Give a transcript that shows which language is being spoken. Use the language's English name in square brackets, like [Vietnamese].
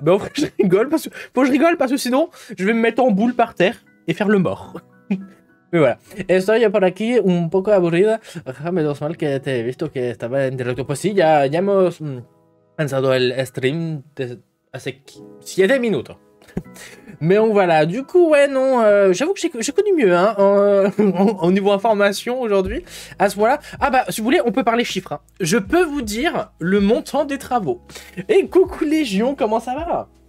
[French] Mais en vrai je rigole parce que sinon je vais me mettre en boule par terre et faire le mort. Mais voilà. [Spanish] Estoy por aquí un poco aburrida. Menos mal que te he visto que estaba en directo. Pues sí, ya hemos lanzado el stream hace 7 minutes. [French] Mais on voilà, du coup, ouais, non, j'avoue que j'ai connu mieux, hein, au niveau information aujourd'hui, à ce moment-là. Ah bah, si vous voulez, on peut parler chiffres, hein. Je peux vous dire le montant des travaux. Et coucou Légion, comment ça va?